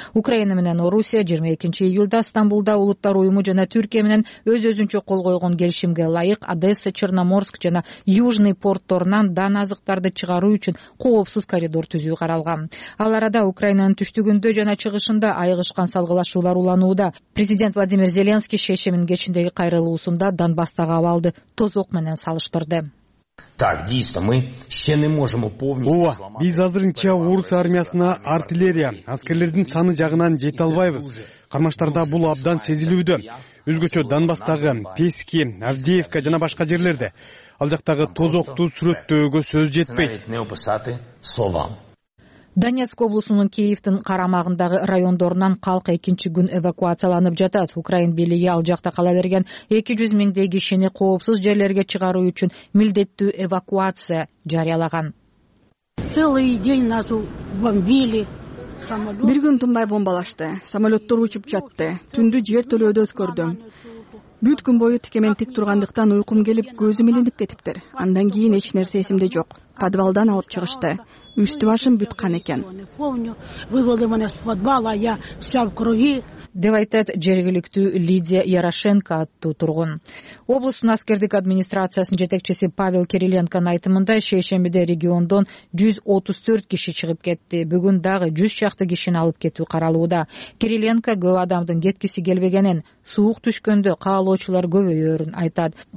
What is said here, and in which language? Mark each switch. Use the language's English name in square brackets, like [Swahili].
[Kyrgyz] Украина менен Орусия 22 июлда Стамбулда Улуттар уюму жана Түркия менен өз-өзүнчө кол койгон келишимге ылайык Одесса, Черноморск жана Южный портторунан дан азыктарды чыгаруу үчүн коопсуз коридор түзүү каралган. Ал арада Украинанын түштүгүндө жана чыгышында айыгышкан салгылашуулар уланууда. Президент Владимир Зеленский шешимин кечиндеги кайрылуусунда Донбасстагы абалды тозок менен салыштырды. [Russian] Так, действительно, мы ещё не можем полностью сломать. [Kyrgyz] О, биз азырынча орус армиясына артиллерия, аскерлердин саны жагынан жете албайбыз. Кармаштарда бул абдан сезилүүдө. Өзгөчө Донбасстагы Пески, Авдеевка жана башка жерлерде ал жактагы тозокту сүрөттөөгө сөз жетпейт. Донецк облусунун Киевдин карамагындагы райондорунан калк экинчи күн эвакуацияланып жатат. Украин бийлиги ал жакта кала берген 200 миңдей кишини коопсуз жерлерге чыгаруу үчүн милдеттүү эвакуация жарыялаган. [Russian] Целый день нас бомбили. [Kyrgyz] Бир күн тынбай бомбалашты. Самолеттор учуп жатты. Түндү жер төлөөдө өткөрдүм. Бүт күн бою тикемен тик тургандыктан уйкум келип, көзүм илинип кетиптир. Андан кийин эч нерсе эсимде жок. Подвалдан алып чыгышты. Үстү башым бүткан экен. [Russian] Вывели меня с подвала, я вся в крови. [Kyrgyz] Деп айтат жергиликтүү Лидия Ярошенко аттуу тургун. Облустун аскердик администрациясынын жетекчиси Павел Кириленконун айтымында шейшембиде региондон 134 киши чыгып кетти. Бүгүн дагы 100 чакты кишини алып кетүү каралууда. Кириленко көп адамдын кеткиси келбегенин, суук түшкөндө каалоочулар көбөйөрүн айтат.